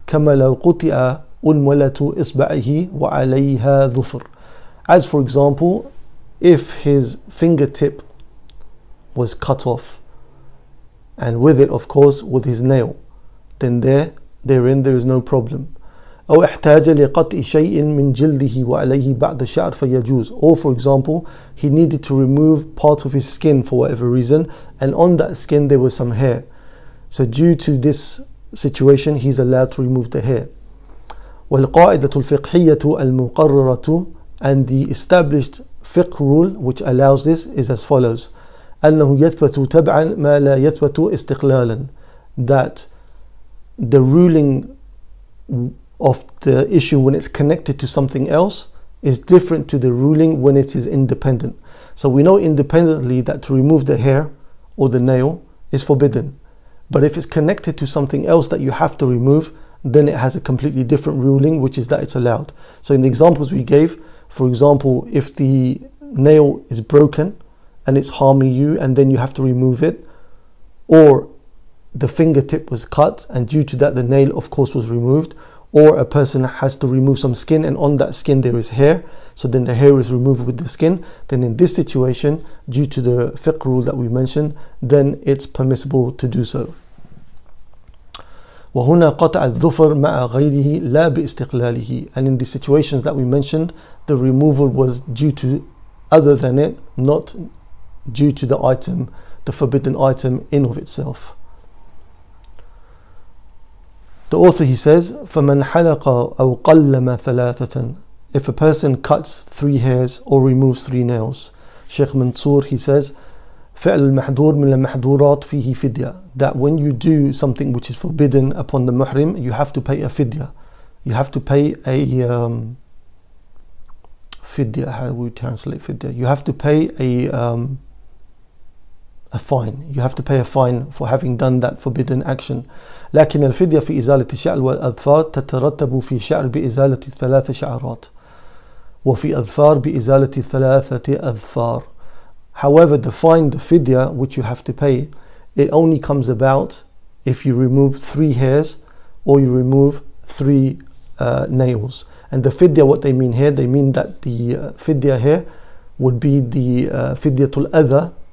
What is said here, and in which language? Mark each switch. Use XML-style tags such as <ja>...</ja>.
<ar>كَمَا لَوْ قُطِعَ أُنْوَلَةُ إِصْبَعِهِ وَعَلَيْهَا ظُفْرٌ,</ar> <en>as for example, if his fingertip was cut off, and with it, of course, with his nail, then therein there is no problem.</en> <ar>أو احتاج لقطع شيء من جلده وعليه بعض الشعر فيجوز.</ar> <en>Or for example, he needed to remove part of his skin for whatever reason, and on that skin there was some hair. So due to this situation, he's allowed to remove the hair.</en> <ar>والقاعدة الفقهية المقررة,</ar> <en>and the established fiqh rule which allows this is as follows.</en> <ar>أنه يثبت تبعا ما لا يثبت استقلالا.</ar> <en>That the ruling of the issue when it's connected to something else is different to the ruling when it is independent. So we know independently that to remove the hair or the nail is forbidden. But if it's connected to something else that you have to remove, then it has a completely different ruling, which is that it's allowed. So in the examples we gave, for example, if the nail is broken and it's harming you and then you have to remove it, or the fingertip was cut and due to that the nail of course was removed, or a person has to remove some skin and on that skin there is hair, so then the hair is removed with the skin, then in this situation, due to the fiqh rule that we mentioned, then it's permissible to do so.</en> <ar>وهنا قطع الظفر مع غيره لا باستقلاله.</ar> <en>And in the situations that we mentioned, the removal was due to other than it, not due to the item, the forbidden item in of itself. The author, he says,</en> <ar>فَمَنْ حَلَقَ أَوْ قَلَّمَ ثَلَاثَةً.</ar> <en>If a person cuts three hairs or removes three nails, Sheikh Mansour, he says,</en> <ar>فعل المحذور من المحذورات فيه فدية.</ar> <en>That when you do something which is forbidden upon the muhrim, you have to pay a fidya. You have to pay a fidya. How do we translate fidya? You have to pay a fine. You have to pay a fine for having done that forbidden action.</en> <ar>لكن الفدية في إزالة الشعر والأظفار تترتب في شعر بإزالة ثلاث شعرات وفي أظفار بإزالة ثلاثة أظفار.</ar> <en>However, the fine, the fidya, which you have to pay, it only comes about if you remove three hairs or you remove three nails. And the fidya, what they mean here, they mean that the fidya here would be the fidyatul adha.</en>